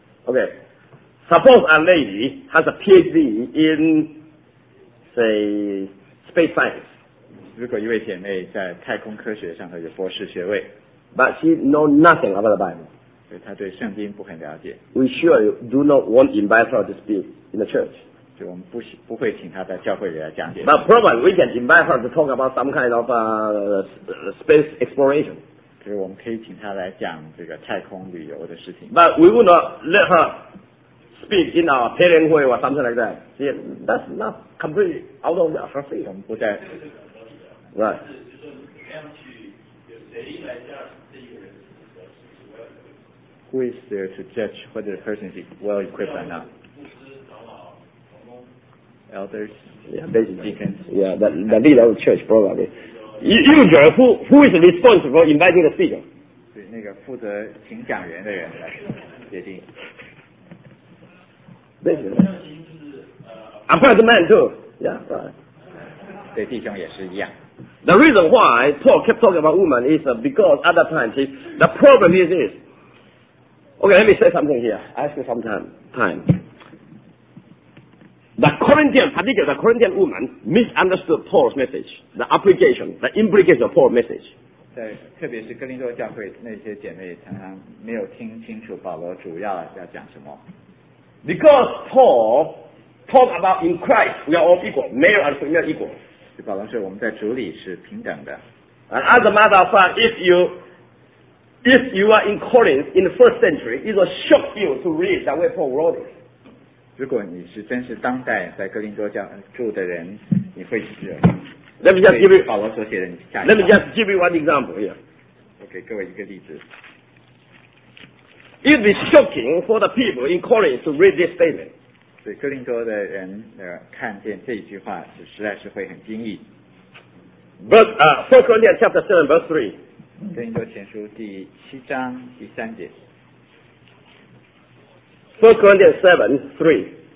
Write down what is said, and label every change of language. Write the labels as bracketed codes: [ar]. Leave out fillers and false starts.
[en] Okay, suppose a lady has a PhD in, say, space science. [zh] 如果一位姐妹在太空科学上她有博士学位 [en] but she know nothing about the Bible [zh] 所以她对圣经不很了解 [en] we sure do not want invite her to speak in the church [zh] 就我们 不会请她在教会里来讲解 [en] but probably we can invite her to talk about some kind of space exploration [zh] 所以我们可以请她来讲这个太空旅游的事情 [en] but we would not let her speak in our parent [zh] 会 [en] or something like that See, that's not completely out of her field [zh] 我们不在 [en] Right. [zh] 就是说你怎么样去有谁来 judge 这一个人是不是 [en] well equipped? Who is there to judge whether the person is well equipped or not? [zh] 牧师长老同工 [en] Elders? Yeah, they, deacons? Yeah, the leader of the church probably. Usually, who is responsible for inviting the speaker? [zh] 对那个负责请讲员的人来决定。对对对。 [en] Apparently, man too. Yeah, right. [zh] 对弟兄也是一样。 [en] The reason why Paul kept talking about women is because at that time, the problem is this. Okay, let me say something here. Ask you some time. The Corinthian, particularly the Corinthian woman, misunderstood Paul's message, the application, the implication of Paul's message. [zh] 在特别是哥林多教会那些姐妹常常没有听清楚保罗主要讲什么。 [en] Because Paul talked about in Christ, we are all equal, male and female equal. [zh] 保罗说我们在主里是平等的。 [en] And as a matter of fact, if you are in Corinth in the first century, it will shock you to read that way Paul wrote it. [zh] 如果你是真是当代在哥林多教住的人，你会是。 [en] Let me just give you [zh] 保罗所写的。 [en] Let me just give you one example here. [zh] 我给各位一个例子。 [en] It is shocking for the people in Corinth to read this statement. [zh] 所以哥林多的人看见这一句话是实在是会很惊异。 [en] But 1 Corinthians chapter 7 verse 3。 [zh] 哥林多前书第七章第三节。 [en] 1 Corinthians 7 3。